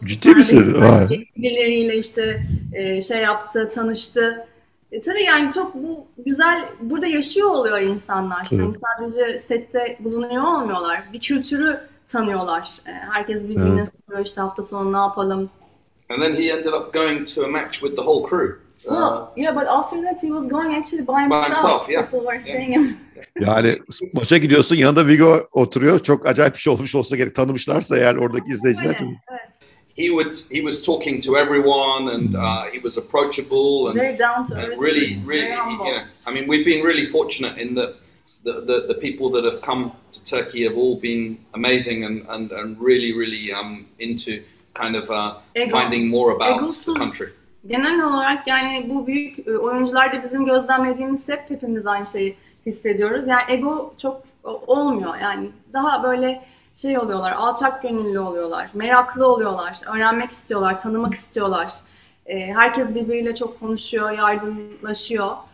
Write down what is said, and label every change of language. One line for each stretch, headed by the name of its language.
Turkish: Ciddi misin? Birileriyle işte şey yaptı, tanıştı. Tabii yani çok bu güzel, burada yaşıyor oluyor insanlar. Yani sadece sette bulunuyor olmuyorlar. Bir kültürü tanıyorlar. Herkes birbirine soruyor işte hafta sonu ne yapalım.
English: And then he ended up going to a match with the whole crew. Yeah, but after that he was going actually by himself. People were saying
Turkish: Yani maça gidiyorsun yanında Viggo oturuyor. Çok acayip bir şey olmuş olsa gerek. Tanımışlarsa eğer oradaki izleyiciler.
English: He would he was talking to everyone and he was approachable and very down to earth. Really really I mean we've been really fortunate in the people that have come to Turkey have all been amazing and really really into kind of finding more about the country.
Turkish: Genel olarak yani bu büyük oyuncular da bizim gözlemlediğimiz hepimiz aynı şeyi hissediyoruz. Yani ego çok olmuyor. Yani daha böyle şey oluyorlar, alçak gönüllü oluyorlar, meraklı oluyorlar, öğrenmek istiyorlar, tanımak istiyorlar. Herkes birbiriyle çok konuşuyor, yardımlaşıyor.